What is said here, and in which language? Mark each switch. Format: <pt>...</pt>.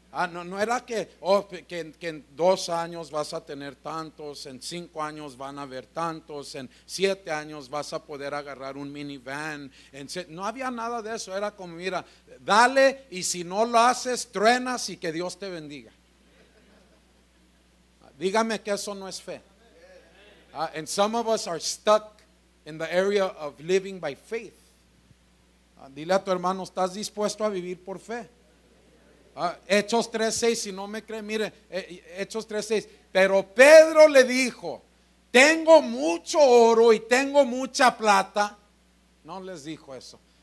<es>No era que, que en 2 años vas a tener tantos, en 5 años van a haber tantos, en 7 años vas a poder agarrar un minivan. No había nada de eso. Era como, mira, dale y si no lo haces, truenas y que Dios te bendiga. Dígame que eso no es fe.</es> <en>And some of us are stuck in the area of living by faith.</en> <es>Dile a tu hermano, ¿estás dispuesto a vivir por fe? Hechos 3:6, si no me cree, mire, Hechos 3:6. Pero Pedro le dijo, tengo mucho oro y tengo mucha plata. No les dijo eso.</es>